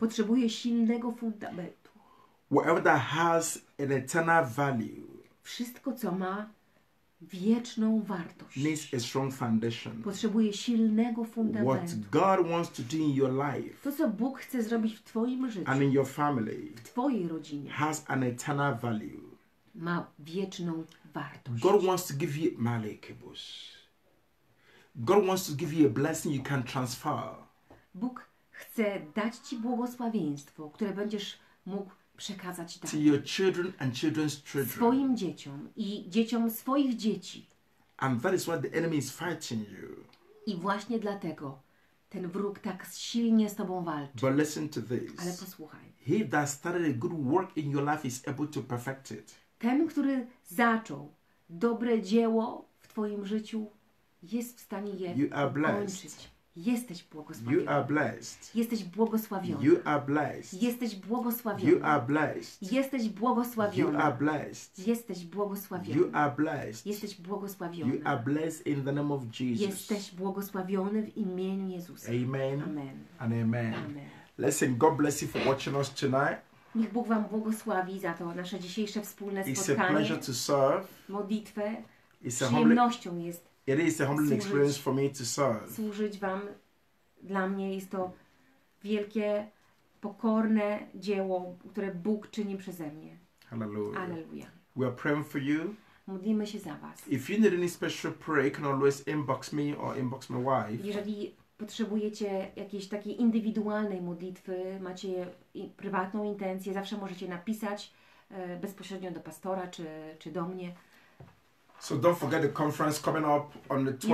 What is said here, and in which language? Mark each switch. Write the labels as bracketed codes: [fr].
[pl] Potrzebuje silnego fundamentu. [en] Whatever that has an eternal value. [pl] Wszystko, co ma wieczną wartość. [en] Needs a strong foundation. [pl] Potrzebuje silnego fundamentu. [en] What God wants to do in your life. [pl] To, co Bóg chce zrobić w twoim życiu. [en] And in your family. [pl] W twojej rodzinie. [en] Has an eternal value. [pl] Ma wieczną wartość. [en] God wants to give you malekibus. God wants to give you a blessing you can transfer. [pl] Bóg chce dać ci błogosławieństwo, które będziesz mógł przekazać dalej. [en] To your children and children's children. [pl] Swoim dzieciom i dzieciom swoich dzieci. [en] And that is why the enemy is fighting you. [pl] I właśnie dlatego ten wróg tak silnie z tobą walczy. [en] But listen to this. [pl] Ale posłuchaj. [en] He that started a good work in your life is able to perfect it. [pl] Ten, który zaczął dobre dzieło w twoim życiu, jest w stanie je kończyć. Jesteś błogosławiony. [en] You are blessed. [pl] Jesteś błogosławiony. [en] You are blessed. [pl] Jesteś błogosławiony. [en] You are blessed. [pl] Jesteś błogosławiony. [en] You are blessed. [pl] Jesteś błogosławiony. [en] You are blessed. [pl] Jesteś błogosławiony. [en] You are blessed in the name of Jesus. [pl] Jesteś błogosławiony w imieniu Jezusa. Amen. Amen. And amen. Amen. [en] Listen, God bless you for watching us tonight. [pl] Niech Bóg wam błogosławi za to nasze dzisiejsze wspólne spotkanie. [en] It's a pleasure to serve. [pl] Modlitwę. Przyjemnością jest. [en] It is a humbling experience for me to serve. [pl] Służyć wam, dla mnie jest to wielkie, pokorne dzieło, które Bóg czyni przeze mnie. [en] Hallelujah. [pl] Alleluja. [en] We are praying for you. [pl] Modlimy się za was. [en] If you need any special prayer, you can always inbox me or inbox my wife. [pl] Jeżeli potrzebujecie jakiejś takiej indywidualnej modlitwy, macie prywatną intencję, zawsze możecie napisać bezpośrednio do pastora czy do mnie. [en] So don't forget the conference coming up on the